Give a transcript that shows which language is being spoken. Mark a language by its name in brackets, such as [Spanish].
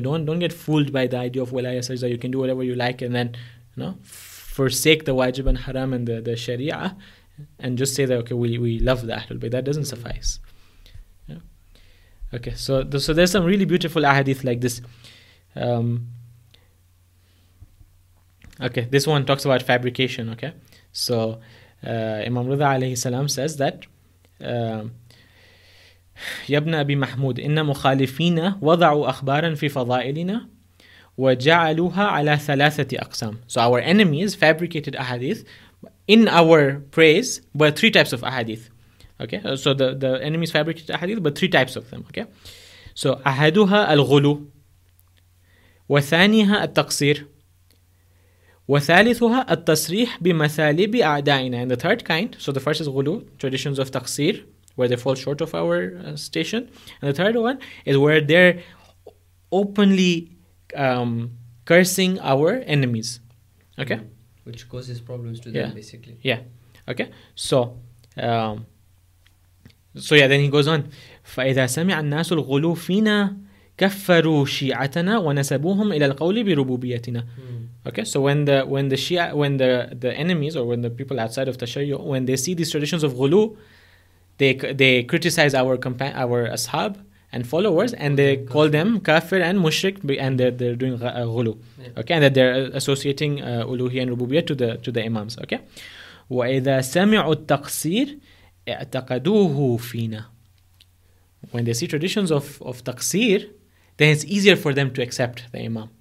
[English] Don't get fooled by the idea of wilaya sajda. You can do whatever you like and then, you know, forsake the wajib and haram and the sharia and just say that, okay, we love the Ahlul Bayt. That doesn't suffice. Okay, so there's some really beautiful ahadith like this. Okay, this one talks about fabrication, okay? So, Imam Ridha alayhi salam says that, [Arabic] يَبْنَ أَبِي مَحْمُودِ إِنَّ مُخَالِفِينَ وَضَعُوا أَخْبَارًا فِي فَضَائِلِنَا وَجَعَلُوهَا عَلَى ثَلَاثَةِ أَقْسَامٍ. [English] So our enemies fabricated ahadith in our praise, but three types of ahadith. Okay, so the enemies fabricated ahadith, but three types of them. Okay, so [Arabic] أحدها الغلو وثانيها التقصير وثالثها التصريح بمثالب أعدائنا. [English] And the third kind, so the first is غلو, traditions of تقصير, where they fall short of our station. And the third one is where they're openly cursing our enemies. Okay, which causes problems to them, yeah. Basically. Yeah. Okay. So. So yeah, then he goes on. [Arabic] فَإِذَا سَمِعَ النَّاسُ الْغُلُو فِينَا كَفَّرُوا شِيعَتَنَا وَنَسَبُوهُمْ إِلَى الْقَوْلِ بِرُبُوبِيَتِنَا. [English] Okay, so when the enemies, or when the people outside of Tashayyu, when they see these traditions of ghulu, they criticize our ashab and followers, and they call them kafir and mushrik, and they're doing ghulu. Yeah. Okay, and that they're associating uluhiyya and rububiyya to the imams. Okay, [Arabic] وَإِذَا سَمِعُوا التَّقْصِيرَ اعتقدوه فينا. [English] When they see traditions of taqsir, then it's easier for them to accept the imam.